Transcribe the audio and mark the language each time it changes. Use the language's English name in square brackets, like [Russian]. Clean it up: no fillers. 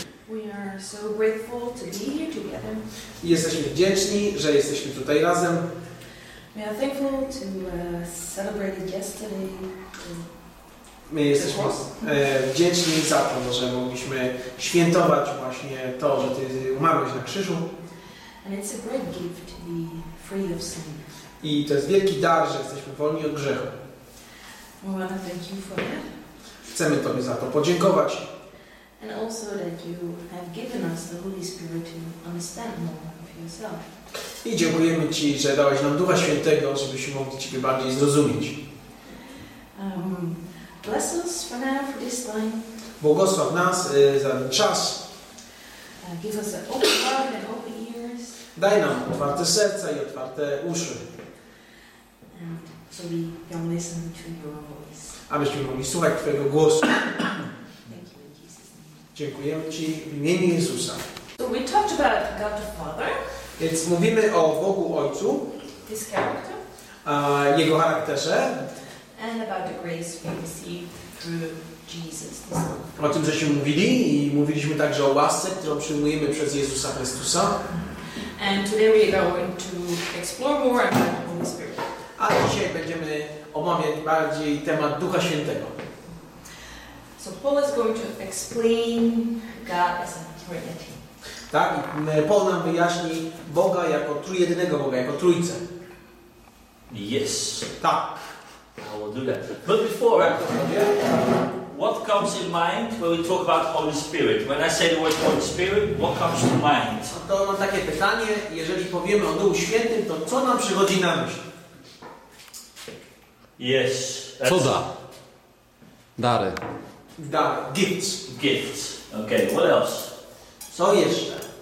[English] We are so grateful to be here together. [Polish] Jesteśmy wdzięczni, że jesteśmy tutaj razem. [English] We are thankful to celebrate yesterday. [Polish] My jesteśmy wdzięczni za to, że mogliśmy świętować właśnie to, że Ty umarłeś na krzyżu. [English] And it's a great gift to be free of sin. [Polish] I to jest wielki dar, że jesteśmy wolni od grzechu. [English] We want to thank you for that. [Polish] Chcemy Tobie za to podziękować. [English] And also that you have given us the Holy Spirit to understand more of yourself. [Polish] I dziękujemy Ci, że dałeś nam Ducha Świętego, żebyśmy mogli Ciebie bardziej zrozumieć. [English] Bless us for now, for this time. [Polish] Błogosław nas za ten czas. [English] Give us an open heart and open ears. [Polish] Daj nam otwarte serca i otwarte uszy. [English] So we can listen to your voice. [Polish] Abyśmy mogli słuchać Twojego głosu. [English] Thank you, Jesus. [Polish] Dziękujemy Ci w imieniu Jezusa. [English] So we talked about God the Father. [Polish] Więc mówimy o Bogu Ojcu. [English] His character. [Polish] Jego charakterze. [English] And about the grace we receive through Jesus. [Polish] O tym, żeśmy mówili i mówiliśmy także o łasce, którą przyjmujemy przez Jezusa Chrystusa. [English] And today we are going to explore more about the Holy Spirit. [Polish] A dzisiaj będziemy omawiać bardziej temat Ducha Świętego. [English] So Paul is going to explain God as a Trinity. [Polish] Tak, Paul nam wyjaśni Boga jako trójjedynego Boga, jako Trójcę. [English] Yes. [Polish] Tak. [English] I will do that. But before, what comes in mind when we talk about Holy Spirit? When I say the word Holy Spirit, what comes to mind? [Polish] To mam takie pytanie, jeżeli powiemy o Duchu Świętym, to co nam przychodzi na myśl? [English] Yes. [Polish] Cuda. Dary. Dary. Gifts. [English] Gifts. Okay, what else? [Polish] Co jeszcze?